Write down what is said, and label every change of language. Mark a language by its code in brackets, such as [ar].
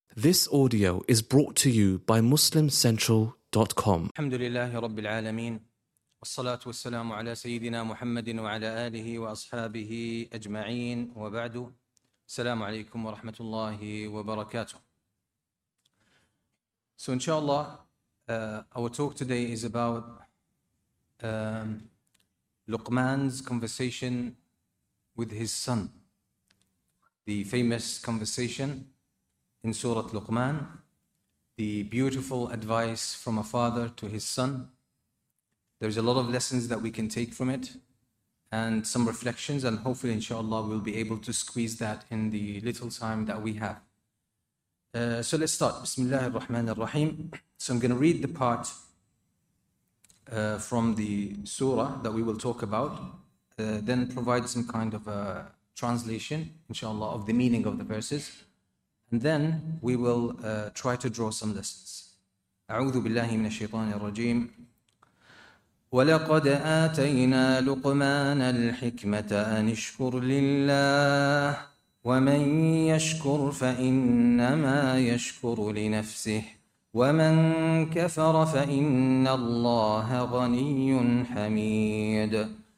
[en] This audio is brought to you by MuslimCentral.com. [ar] الحمد لله رب العالمين والصلاة والسلام على سيدنا محمد وعلى آله وأصحابه أجمعين وبعد السلام عليكم ورحمة الله وبركاته. [en] So inshallah, our talk today is about Luqman's conversation with his son. The famous conversation in Surah Luqman, the beautiful advice from a father to his son. There's a lot of lessons that we can take from it and some reflections, and hopefully inshallah we'll be able to squeeze that in the little time that we have. So let's start. Bismillah ar-Rahman ar-Rahim. So I'm going to read the part from the surah that we will talk about, then provide some kind of a translation inshallah of the meaning of the verses. And then we will try to draw some lessons. [ar] أعوذ بالله من الشيطان الرجيم. ولقد آتينا لقمان الحكمة أن اشكر لله ومن يشكر فإنما يشكر لنفسه ومن كفر فإن الله غني حميد.